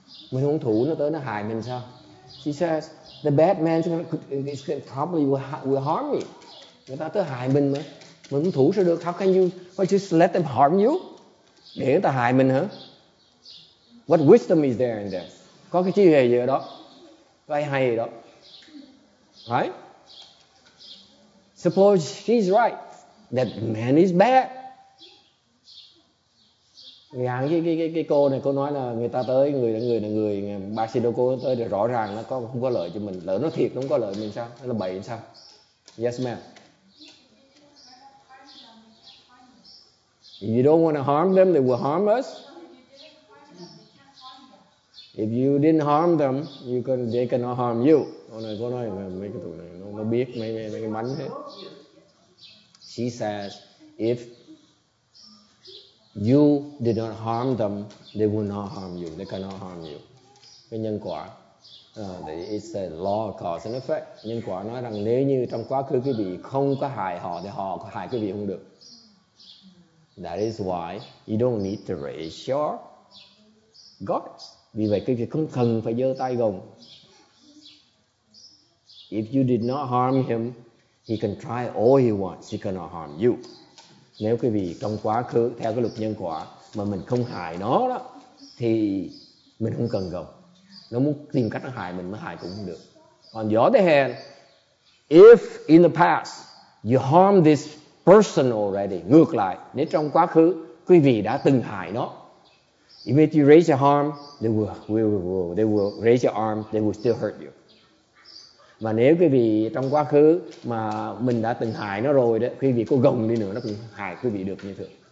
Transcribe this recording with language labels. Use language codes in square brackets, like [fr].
[vi] Mình hung thủ nó tới nó hại mình sao? [en] She says the bad man will probably harm me. [vi] Người ta tới hại mình mà, mình hung thủ sao được? [en] How can you? Why just let them harm you? [vi] Để người ta hại mình hả? [en] What wisdom is there in this? [vi] Có cái chi hay gì ở đó? Cái hay gì đó? Right? [en] Suppose she's right. That man is bad. [vi] Ngàn cái cô này, cô nói là người ta tới, người ba xin cô tới rõ ràng nó không có lợi cho mình. Lỡ nó thiệt nó không có lợi mình sao? Nó là bậy sao? [en] Yes, ma'am. If you don't want to harm them, they will harm us. If you didn't harm them, they cannot harm you. [vi] Cô này, cô nói mấy cái tụi này, nó biết mấy cái mánh hết. [en] She says, if you did not harm them, they will not harm you. They cannot harm you. [vi] Cái nhân quả, [en] it's a law of cause and effect. [vi] Nhân quả nói rằng nếu như trong quá khứ quý vị không có hại họ thì họ có hại quý vị không được. [en] That is why you don't need to raise your guards. [vi] Vì vậy quý vị không cần phải giơ tay gồng. [en] If you did not harm him, he can try all he wants. He cannot harm you. [vi] Nếu quý vị trong quá khứ theo cái luật nhân quả mà mình không hại nó đó thì mình không cần gồng. Nó muốn tìm cách nó hại mình mới hại cũng không được. [en] On the other hand, if in the past you harm this person already. [vi] Ngược lại, nếu trong quá khứ quý vị đã từng hại nó. [en] Even if you raise your arm, they will raise your arm, they will still hurt you. [vi] Mà nếu quý vị trong quá khứ mà mình đã từng hại nó rồi đó, quý vị có gồng đi nữa nó cũng hại quý vị được như thường.